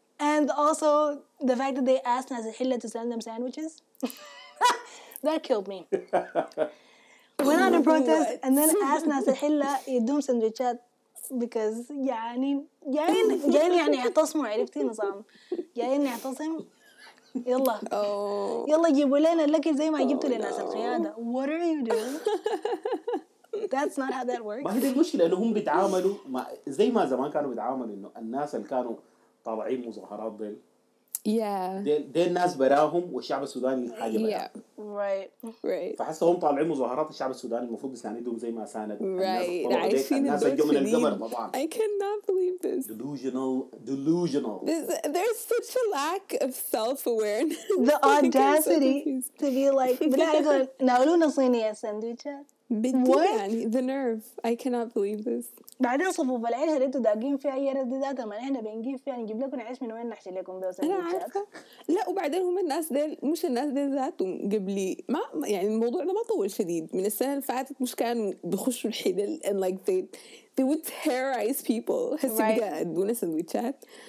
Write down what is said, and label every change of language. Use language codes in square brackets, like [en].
[en] And also the fact that they asked Nazihilla to send them sandwiches. That killed me. Went on a protest and then asked Nazihilla [ar] يدوم سندويتشات because يعني اعتصموا عرفتي نظام يعني اعتصم يلا يلا جيبوا لنا لك زي ما جبتوا للناس القيادة. [en] What are you doing? That's not how that works. [ar] ما هذه المشكلة اللي هم بيتعاملوا زي ما زمان كانوا بيتعاملوا إنه الناس اللي كانوا طالعين مظاهرات ديل ديل الناس براهم والشعب السوداني حاجة براهم. Right. فحس هم طالعين مظاهرات الشعب السوداني المفروض يساندهم زي ما ساند الناس الناس الجو من القمر طبعا. [en] I cannot believe this. Delusional. There's such a lack of self-awareness. The audacity to be like [ar] ناولونا صينية ساندويتشة. [en] What? The nerve. I cannot believe this. [ar] بعدين صفوف العيش اللي انتوا داقين فيها هي رددات ما احنا بنجيب فيها نجيب لكم عيش من وين نحشي لكم بيه سندوتشات. لا وبعدين هم الناس ديل مش الناس ديل ذاتهم قبلي ما يعني الموضوع ده ما طول شديد من السنة اللي فاتت مش كانوا بيخشوا الحلل [en] and like they would terrorize people [ar] هسي بقى ادونا سندوتشات.